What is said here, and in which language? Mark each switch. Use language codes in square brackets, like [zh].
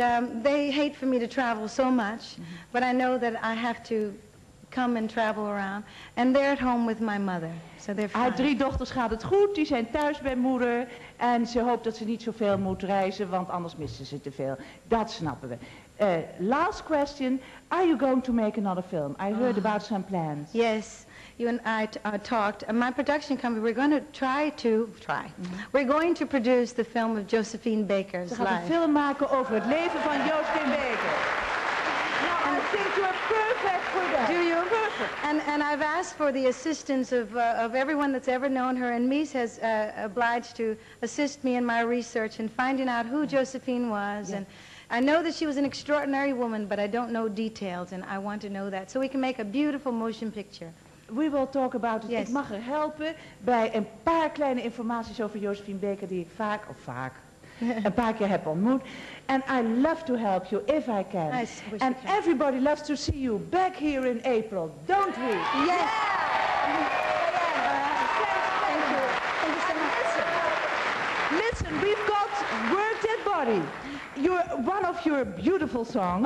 [en] And they hate for me to travel so much, mm-hmm. but I know that I have to come and travel around. And they're at home with my mother, so they're fine. [nl] Haar 3 dochters gaat het goed. Die zijn thuis bij moeder. En ze hoopt dat ze niet zoveel moet reizen, want anders missen ze te veel. Dat snappen we. [en] Last question, are you going to make another film? I heard about some plans. Yes, you and I talked. My production company, we're going to produce the film of Josephine Baker's life. [nl] Ze gaan een film maken over het leven van Josephine Baker. [en] Now, I think you're perfect for that. Do you? Perfect. And I've asked for the assistance of everyone that's ever known her, and Mies has obliged to assist me in my research and finding out who Josephine was. Yes. And I know that she was an extraordinary woman, but I don't know details, and I want to know that, so we can make a beautiful motion picture. We will talk about it. Yes. [nl] Ik mag er helpen bij een paar kleine informaties over Josephine Baker die ik vaak, een paar keer heb ontmoet. [en] And I love to help you if I can. I wish you can. Everybody loves to see you back here in April, don't we? Yes. Yeah. Thank you. Thank you so much. Listen, we've got Work Dead Body. You're one of your beautiful songs.